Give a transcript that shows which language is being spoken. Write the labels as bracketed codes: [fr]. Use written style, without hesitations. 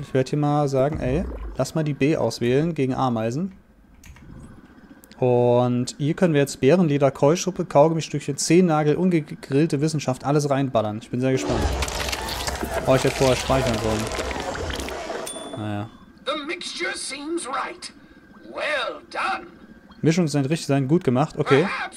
[de] Ich werde hier mal sagen, ey, lass mal die B auswählen gegen Ameisen. Und hier können wir jetzt Bärenleder, Keuschuppe, Kaugummistückchen, Zehennagel, ungegrillte Wissenschaft, alles reinballern. Ich bin sehr gespannt. Oh, ich hätte vorher speichern sollen. Naja. [en] The mixture seems right. Well done. [de] Mischung sein richtig sein, gut gemacht, okay.